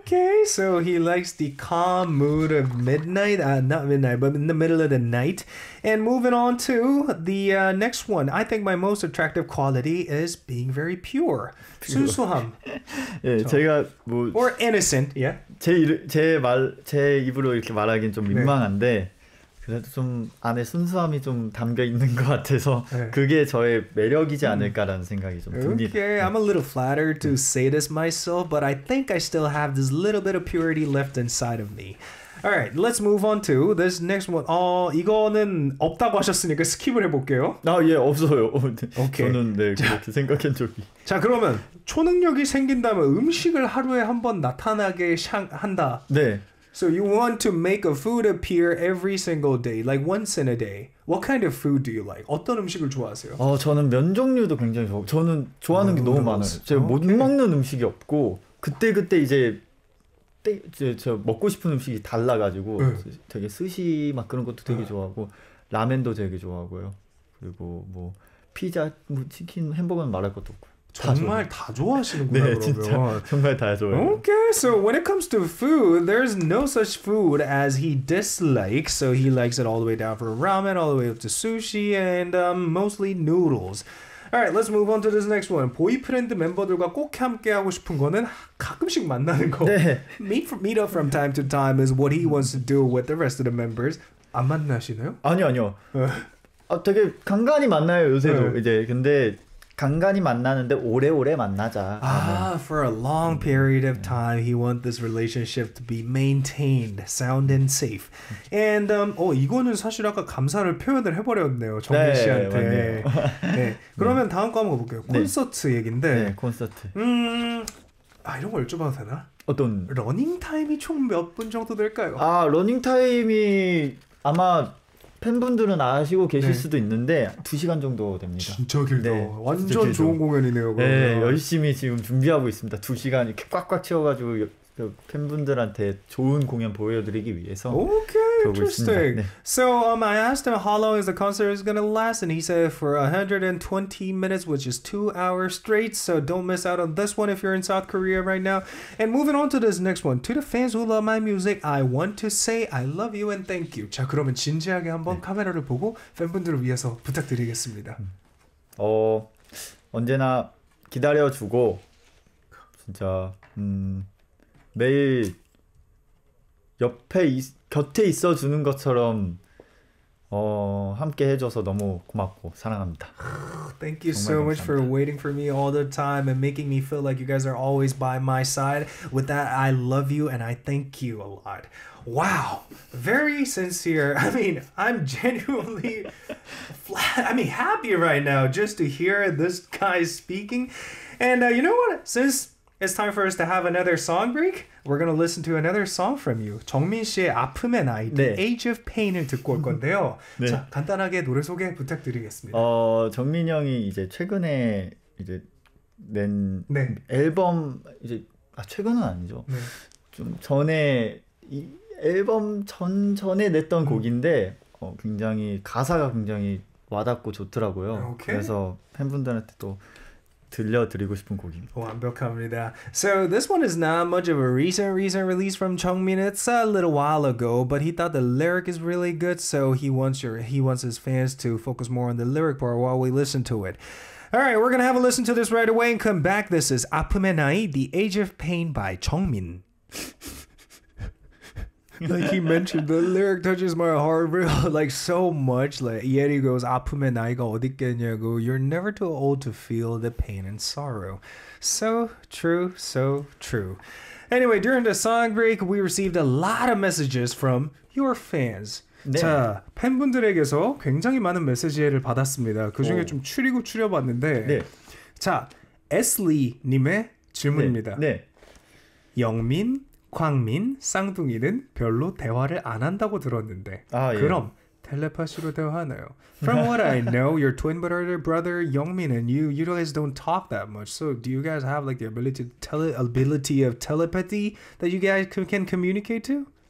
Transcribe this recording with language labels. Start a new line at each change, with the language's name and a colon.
English: Okay, so he likes the calm mood of midnight. Not midnight, but in the middle of the night. And moving on to the next one. I think my most attractive quality is being very pure.
Korean: 순수함. 예, 제가 뭐
English: or innocent, yeah.
Korean: 제 입으로 이렇게 말하기는 좀 민망한데 그래도 좀 안에 순수함이 좀 담겨 있는 것 같아서 네. 그게 저의 매력이지 않을까라는 생각이 좀 듭니다.
English: Okay, I'm a little flattered to say this myself, but I think I still have this little bit of purity left inside of me. All right, let's move on to this next one.
Korean: 이거는 없다고 하셨으니까 스킵을 해볼게요. 아, 예, 없어요. 오케이. 저는 네, 그렇게 생각한 적이. 자, 그러면 초능력이 생긴다면 음식을 하루에 한번 나타나게 한다. 네. So you want to make a food appear every single day, like once in a day. What kind of food do you like? 어떤 음식을 좋아하세요? 저는 면 종류도 굉장히 좋아. 저는 좋아하는 게 너무 많아요. 제가 못 먹는 음식이 없고 그때 이제 먹고 싶은 음식이 달라가지고 되게 스시 막 그런 것도 되게 좋아하고 라면도 되게 좋아하고요. 그리고 뭐 피자, 뭐 치킨, 햄버거는 말할 것도 없고. 정말 다 좋아하시는구나. 네, 그러면. 진짜 정말 다 좋아요.
English: Okay, so when it comes to food, there's no such food as he dislikes. So he likes it all the way down from ramen, all the way up to sushi, and mostly noodles. All right, let's move on to this next one.
Korean: 보이프렌드 멤버들과 꼭 함께하고 싶은 거는 가끔씩 만나는 거. 네. Meet up from time to time is what he wants to do with the rest of the members. 안 만나시나요? 아니요. 되게 간간히 만나요, 요새도. 네. 이제 근데 간간히 만나는데 오래오래 만나자.
English: 아, for a long period of time, he wants this relationship to be maintained, sound and safe.
Korean: And 이거는 사실 아까 감사를 표현을 해버렸네요, 정민 네, 씨한테. 네. 그러면 네. 다음 거 한번 볼게요. 콘서트 네. 얘긴데. 네, 콘서트. 이런 거 여쭤봐도 되나? 어떤? 러닝 타임이 총 몇 분 정도 될까요? 아, 러닝 타임이 아마 팬분들은 아시고 계실 네. 수도 있는데 2시간 정도 됩니다. 진짜 길다. 네, 완전 진짜 길죠. 좋은 공연이네요. 그러면. 네, 열심히 지금 준비하고 있습니다. 2시간 이렇게 꽉꽉 채워가지고 팬분들한테 좋은 공연 보여드리기 위해서
English: 오케이, okay, interesting. 네. So I asked him how long is the concert is gonna last and he said for 120 minutes which is 2 hours straight so don't miss out on this one if you're in South Korea right now. And moving on to this next one. To the fans who love my music, I want to say I love you and thank you. 자, 그러면 진지하게 한번 네. 카메라를 보고 팬분들을 위해서 부탁드리겠습니다. 언제나 기다려주고 진짜 매일 곁에 있어 주는 것처럼 함께 해줘서 너무 고맙고 사랑합니다. Thank you so much for waiting for me all the time and making me feel like you guys are always by my side. With that, I love you and I thank you a lot. Wow, very sincere. I mean, I'm genuinely flat. I mean, happy right now just to hear this guy speaking. And you know what? Since it's time for us to have another song break. We're going to listen to another song from you.
Korean: 정민 씨의 아픔의 나이, 네. The Age of Pain을 듣고 올 건데요. 네. 자, 간단하게 노래 소개 부탁드리겠습니다. 정민 형이 이제 최근에 이제 낸 네. 앨범 이제 최근은 아니죠. 네. 좀 전에 이 앨범 전에 냈던 곡인데 굉장히 가사가 굉장히 와닿고 좋더라고요.
English: 오케이.
Korean: 그래서 팬분들한테 또 들려드리고 싶은 곡입니다. 완벽합니다.
English: So this one is not much of a recent release from Jungmin. It's a little while ago, but he thought the lyric is really good, so he wants his fans to focus more on the lyric part while we listen to it. All right, we're gonna have a listen to this right away and come back. This is 아픔의 나이, The Age of Pain by Jungmin. Like he mentioned, the lyric touches my heart real, like so much. Like Yeri goes, 아프면 나이가 어디 있겠냐고. You're never too old to feel the pain and sorrow. So true, so true. Anyway, during the song break, we received a lot of messages from your fans.
Korean: 네. 자, 팬분들에게서 굉장히 많은 메시지를 받았습니다. 그 중에 오. 좀 추리고 추려봤는데, 네. 자, Esli님의 질문입니다. 네. 네. 영민, 광민, 쌍둥이는 별로 대화를 안 한다고 들었는데, 아, 예. 그럼 텔레파시로 대화하나요?
English: From what I know, your twin brother, Youngmin, and you guys don't talk that much. So do you guys have like the ability of telepathy that you guys can communicate to?